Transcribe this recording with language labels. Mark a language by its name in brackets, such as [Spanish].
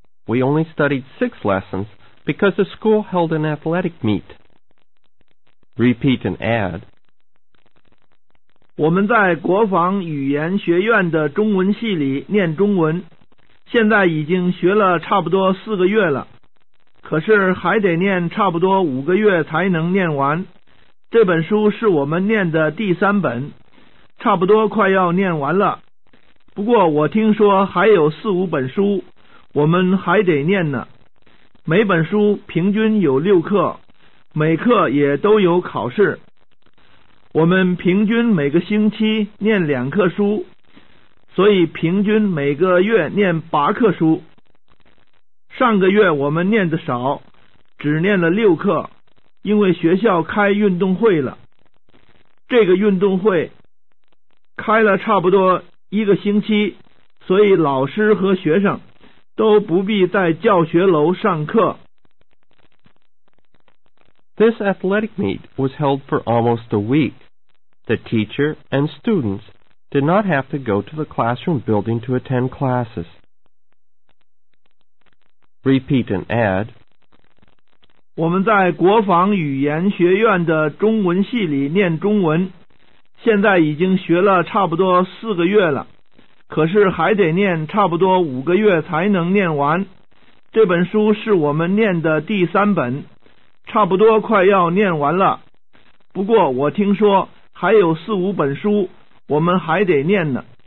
[English] We only studied six lessons because the school held an athletic meet. Repeat and add. [Chinese] 我们在国防语言学院的中文系里念中文，现在已经学了差不多四个月了，可是还得念差不多五个月才能念完。这本书是我们念的第三本，差不多快要念完了，不过我听说还有四五本书我们还得念呢。每本书平均有六课，每课也都有考试。我们平均每个星期念两课书，所以平均每个月念八课书。上个月我们念的少，只念了六课，因为学校开运动会了。这个运动会开了差不多一个星期，所以老师和学生都不必在教学楼上课。 [English] This athletic meet was held for almost a week. The teacher and students did not have to go to the classroom building to attend classes. Repeat and add. [Chinese] 我们在国防语言学院的中文系里念中文，现在已经学了差不多四个月了，可是还得念差不多五个月才能念完。这本书是我们念的第三本，差不多快要念完了，不过我听说还有四五本书我们还得念呢。